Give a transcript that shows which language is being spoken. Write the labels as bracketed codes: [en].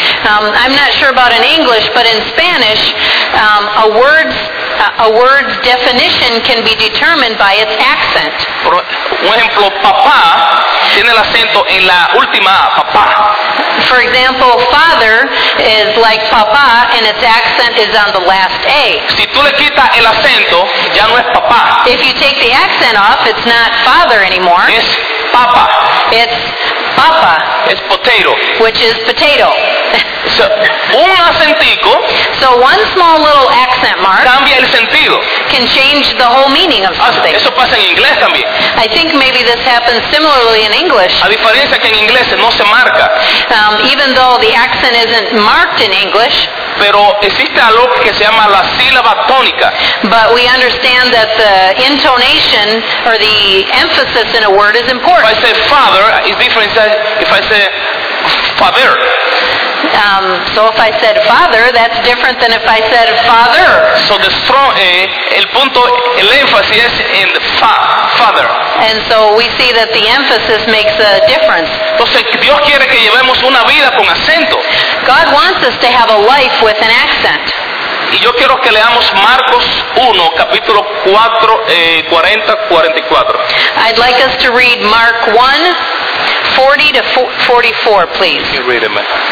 [en] I'm not sure about in English, but in Spanish, a word's definition can be determined by its accent. [es] Por ejemplo, papá tiene el acento en la última A, papá. [en] For example, father is like papá and its accent is on the last A. [es] Si tú le quitas el acento, ya no es papá. [en] If you take the accent off, it's not father anymore. [es] Es papá. [en] It's papa. It's potato. Which is potato. [es] So, un acentico. [en] So one small little accent mark. [es] Cambia el sentido. [en] Can change the whole meaning of something. [es] Eso pasa en inglés también. [en] I think maybe this happens similarly in English. [es] A diferencia que en inglés no se marca. [en] Even though the accent isn't marked in English. [es] Pero existe algo que se llama la sílaba tónica. [en] But we understand that the intonation or the emphasis in a word is important. If I say father, it's different. If I say father. So if I said father, that's different than if I said father. So the strong, [es] el punto, el énfasis es en father. [en] And so we see that the emphasis makes a difference. [es] Entonces, Dios quiere que llevemos una vida con acento. [en] God wants us to have a life with an accent. [es] Y yo quiero que leamos Marcos 1, capítulo 4, 40-44. [en] I'd like us to read Mark 1, 40-44, please. You read it, man.